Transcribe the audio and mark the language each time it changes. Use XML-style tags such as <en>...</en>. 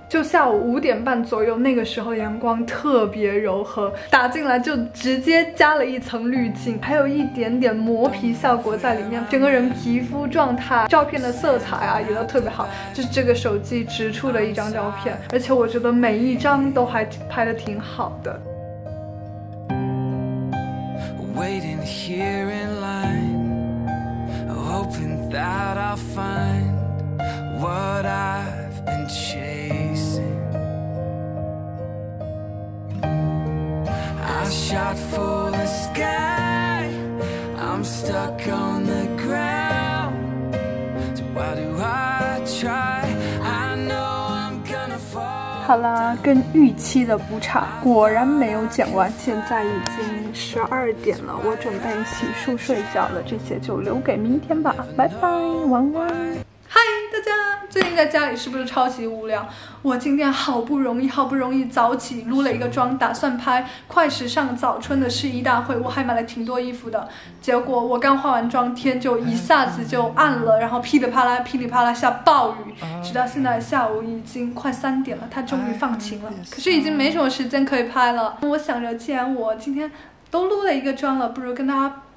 <zh>就下午5:30左右，那个时候阳光特别柔和，打进来就直接加了一层滤镜，还有一点点磨皮效果在里面，整个人皮肤状态、照片的色彩啊也都特别好，就是这个手机直出的一张照片，而且我觉得每一张都还拍得挺好的。</zh> <en>Waiting here in line, hoping that I'll find what I've been chasing. I shot for the sky, I'm stuck on the ground. So why do I try? I know I'm gonna fall.</en> <zh>好啦，跟预期的不差，果然没有剪完，现在已经12点了，我准备洗漱睡觉了，这些就留给明天吧，拜拜，晚安。嗨，大家，最近在家里是不是超级无聊？我今天好不容易好不容易早起撸了一个妆，打算拍快时尚早春的试衣大会，我还买了挺多衣服的，结果我刚化完妆，天就一下子就暗了，然后噼里啪啦下暴雨，直到现在下午已经快3点了，它终于放晴了，可是已经没什么时间可以拍了。我想着既然我今天都撸了一个妆了，不如跟大家</zh>